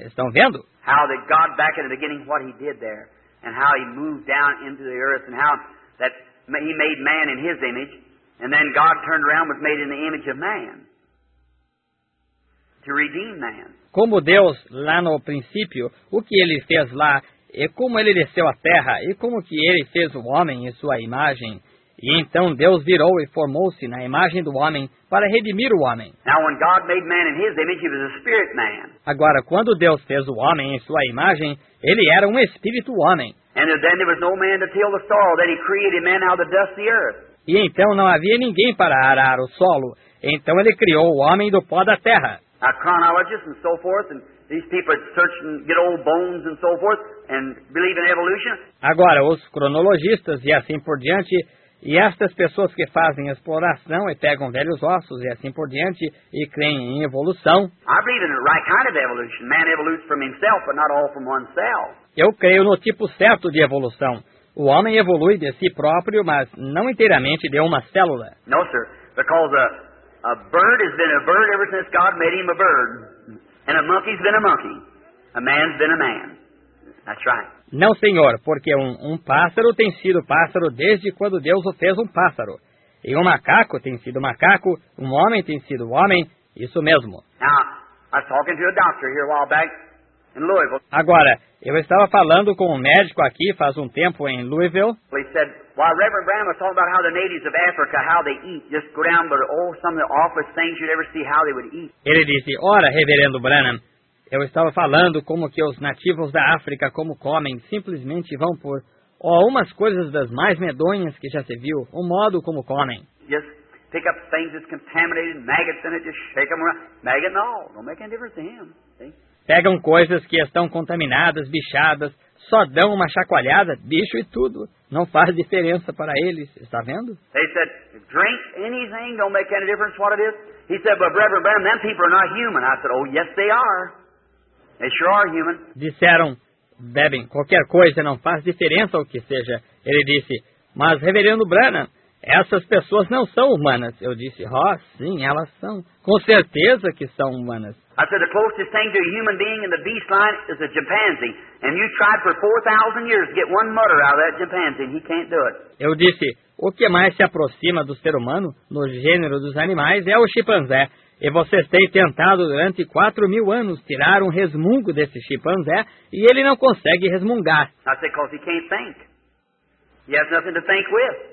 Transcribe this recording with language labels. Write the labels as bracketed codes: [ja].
[pt] Estão vendo? [en] How that God back in the beginning what he did there, and how he moved down into the earth, and how that he made man in his image, and then God turned around and was made in the image of man. To redeem man. [pt] Como Deus, lá no princípio, o que ele fez lá, e como ele desceu a terra, e como que ele fez o homem em sua imagem. E então Deus virou e formou-se na imagem do homem para redimir o homem. [en] Now when God made man in his image, he was a spirit man. [pt] Agora, quando Deus fez o homem em sua imagem, ele era um espírito homem. [en] And then there was no man to till the soil, then he created man out of the dust of the earth. [pt] E então não havia ninguém para arar o solo, então ele criou o homem do pó da terra. [en] A chronologist and so forth, and these people search and get old bones and so forth, and believe in evolution. [pt] Agora, os cronologistas e assim por diante, e estas pessoas que fazem exploração e pegam velhos ossos e assim por diante, e creem em evolução. [en] I believe in the right kind of evolution. Man evolutes from himself, but not all from one cell. [pt] Eu creio no tipo certo de evolução. O homem evolui de si próprio, mas não inteiramente de uma célula. [en] No, sir, because a bird has been a bird ever since God made him a bird. And a monkey's been a monkey. A man's been a man. That's right. [pt] Não, senhor, porque um pássaro tem sido pássaro desde quando Deus o fez um pássaro. E um macaco tem sido macaco, um homem tem sido homem, isso mesmo. [en] Now, I was talking to a doctor here a while back in Louisville. [pt] Agora, eu estava falando com um médico aqui faz tempo em Louisville. [en] He said, while Reverend Branham was talking about how the natives of Africa, how they eat, just go down, but oh, some of the awfulest things you'd ever see how they would eat. [pt] Ele disse, ora, Reverendo Branham, eu estava falando como que os nativos da África, como comem, simplesmente vão por umas coisas das mais medonhas que já se viu, o modo como comem. [en] Just pick up things that's contaminated, maggots in it, just shake them around. Maggot, no, don't make any difference to him. [pt] Pegam coisas que estão contaminadas, bichadas, só dão uma chacoalhada, bicho e tudo. Não faz diferença para eles, está vendo? [en] They said, drink anything, don't make any difference what it is. He said, but Reverend Branham, them people are not human. I said, oh, yes, they are. They sure are human. [pt] Disseram, bebem qualquer coisa, não faz diferença o que seja. Ele disse, mas Reverendo Branham, essas pessoas não são humanas. Eu disse, oh, sim, elas são. Com certeza que são humanas. [en] I said, the closest thing to a human being in the beast line is a chimpanzee. And you tried for 4,000 years to get one mutter out of that chimpanzee, and he can't do it. [pt] Eu disse, o que mais se aproxima do ser humano, no gênero dos animais, é o chimpanzé. E vocês têm tentado durante 4,000 anos tirar um resmungo desse chimpanzé, e ele não consegue resmungar. [en] I said, because he can't think. He has nothing to think with.